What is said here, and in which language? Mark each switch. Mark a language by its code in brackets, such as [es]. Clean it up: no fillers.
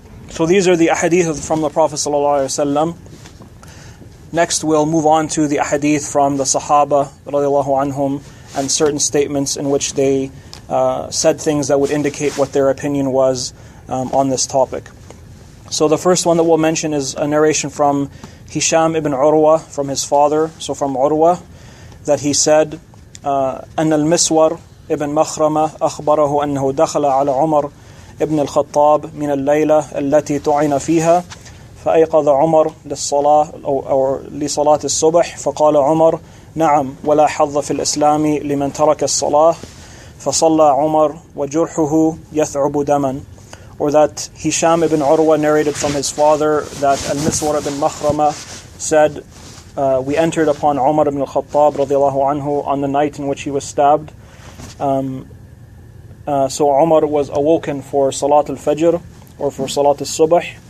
[en] So these are the ahadith from the Prophet sallallahu alaihi wasallam. Next, we'll move on to the ahadith from the Sahaba radiallahu anhum and certain statements in which they said things that would indicate what their opinion was on this topic. So the first one that we'll mention is a narration from Hisham ibn Urwa, from his father, so from Urwa, that he said, [ar] أَنَّ الْمِسْوَرِ ibn مَخْرَمَ أَخْبَرَهُ أَنَّهُ دَخَلَ عَلَى عُمَرْ ibn الْخَطَّابِ مِنَ اللَّيْلَةِ الَّتِي تُعِنَ فِيهَا فأيقظ عمر للصلاة أو لصلاة الصبح فقال عمر نعم ولا حظ في الإسلام لمن ترك الصلاة فصلى عمر وجرحه يثعب دما. [en] Or that Hisham ibn Urwa narrated from his father that Al-Miswar ibn Makhrama said, we entered upon Umar ibn al-Khattab radiallahu anhu on the night in which he was stabbed. So Umar was awoken for Salat al-Fajr or for Salat al-Subh.